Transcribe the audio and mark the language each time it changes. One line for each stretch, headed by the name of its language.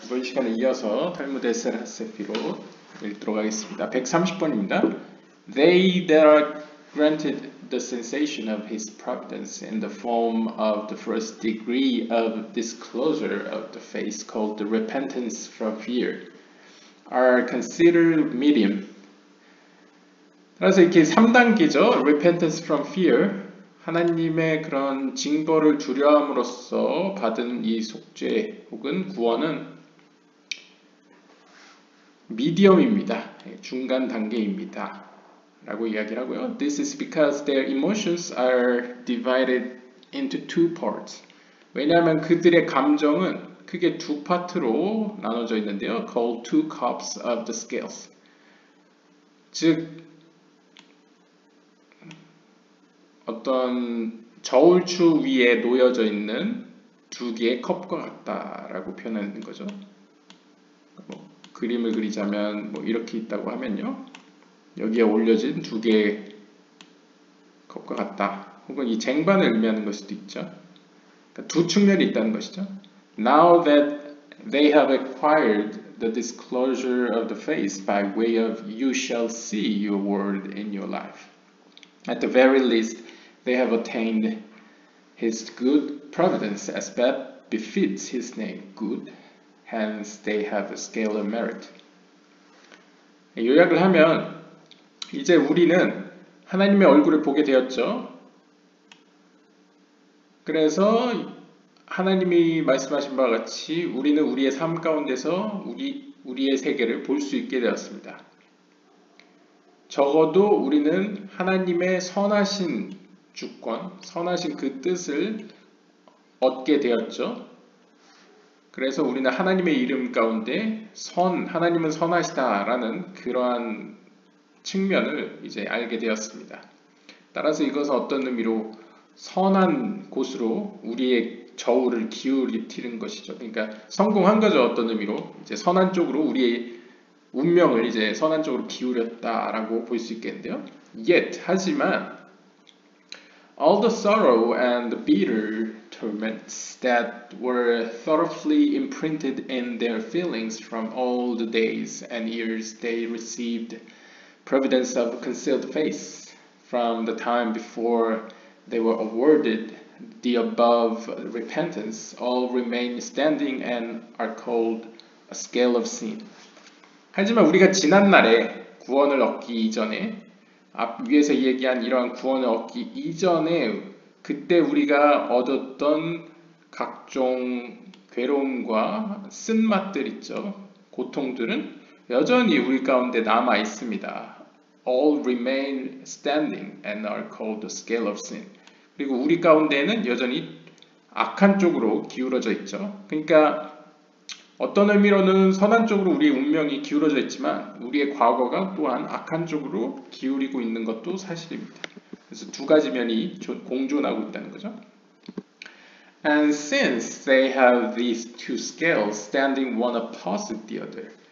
Korean: 이번 시간에 이어서 탈무드 에셀하세피로 읽도록 하겠습니다. 130번입니다.
English: They that are granted the sensation of his providence in the form of the first degree of disclosure of the face called the repentance from fear are considered medium.
Korean: 따라서 이렇게 3단계죠.
English: repentance from fear.
Korean: 하나님의 그런 징벌을 두려움으로써 받은 이 속죄 혹은 구원은 미디엄입니다. 중간 단계입니다. 라고 이야기를 하고요.
English: This is because their emotions are divided into two parts.
Korean: 왜냐하면 그들의 감정은 크게 두 파트로 나눠져 있는데요.
English: Called two cups of the scales.
Korean: 즉, 어떤 저울추 위에 놓여져 있는 두 개의 컵과 같다라고 표현하는 거죠. 뭐, 그림을 그리자면 뭐 이렇게 있다고 하면요. 여기에 올려진 두 개의 컵과 같다. 혹은 이 쟁반을 의미하는 것일 수도 있죠. 그러니까 두 측면이 있다는 것이죠.
English: Now that they have acquired the disclosure of the face by way of you shall see your world in your life. At the very least, They have attained his good providence as that befits his name, good. Hence, they have a scale of merit.
Korean: 요약을 하면 이제 우리는 하나님의 얼굴을 보게 되었죠. 그래서 하나님이 말씀하신 바와 같이 우리는 우리의 삶 가운데서 우리의 세계를 볼 수 있게 되었습니다. 적어도 우리는 하나님의 선하신 주권, 선하신 그 뜻을 얻게 되었죠. 그래서 우리는 하나님의 이름 가운데 선, 하나님은 선하시다라는 그러한 측면을 이제 알게 되었습니다. 따라서 이것은 어떤 의미로 선한 곳으로 우리의 저울을 기울이는 것이죠. 그러니까 성공한 거죠. 어떤 의미로 이제 선한 쪽으로 우리의 운명을 이제 선한 쪽으로 기울였다라고 볼 수 있겠는데요.
English: Yet,
Korean: 하지만
English: All the sorrow and the bitter torments that were thoroughly imprinted in their feelings from all the days and years they received providence of a concealed face from the time before they were awarded the above repentance all remain standing and are called a scale of sin.
Korean: 하지만 우리가 지난날에 구원을 얻기 이전에 앞 위에서 얘기한 이러한 구원을 얻기 이전에 그때 우리가 얻었던 각종 괴로움과 쓴맛들 있죠. 고통들은 여전히 우리 가운데 남아 있습니다.
English: All remain standing and are called the scale of sin.
Korean: 그리고 우리 가운데는 여전히 악한 쪽으로 기울어져 있죠. 그러니까 어떤 의미로는 선한 쪽으로 우리의 운명이 기울어져 있지만 우리의 과거가 또한 악한 쪽으로 기울이고 있는 것도 사실입니다. 그래서 두 가지 면이 공존하고 있다는 거죠.
English: And since they have these two scales standing one opposite the other.